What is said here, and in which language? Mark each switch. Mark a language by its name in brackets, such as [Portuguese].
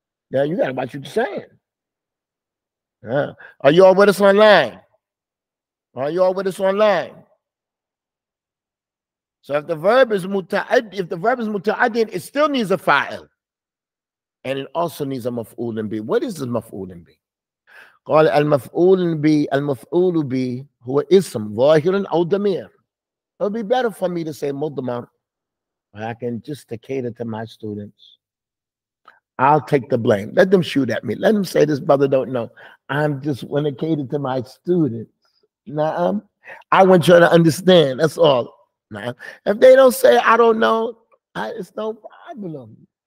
[English] Yeah, you got to watch what you're saying. Yeah. Are you all with us online? Are you all with us online? So if the verb is muta'addi, if the verb is muta'addi, it still needs a fa'il. And it also needs a maf'ulun bi. What is the maf'ulun bi? [Arabic] قال المفعول بي المفعول بي هو اسم ظاهر أو ضمير. [English] It would be better for me to say مضمر. I can just cater to my students. I'll take the blame. Let them shoot at me. Let them say this brother don't know. I'm just want to cater to my students. Nah, I want you to understand. That's all. Nah, if they don't say I don't know, it's no problem.